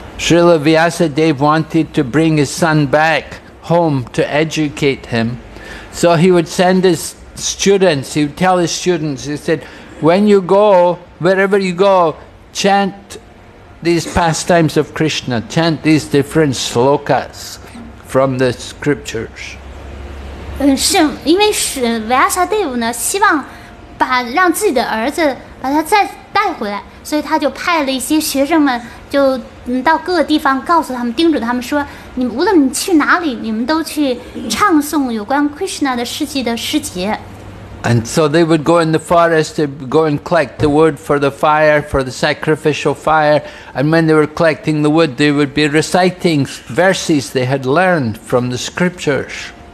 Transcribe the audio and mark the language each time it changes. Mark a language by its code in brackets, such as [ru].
[en] Srila Vyasadeva wanted to bring his son back home to educate him. So he would send his students, he would tell his students, he said, when you go, wherever you go, chant these pastimes of Krishna, chant these different slokas from the scriptures. [zh] 是因为是 Vyasadeva 呢，希望把让自己的儿子把他再带回来，所以他就派了一些学生们就到各个地方告诉他们，叮嘱他们说，你们无论你去哪里，你们都去唱诵有关 Krishna 的事迹的诗节。 [en] And so they would go in the forest, they'd go and collect the wood for the fire, for the sacrificial fire. And when they were collecting the wood, they would be reciting verses they had learned from the scriptures.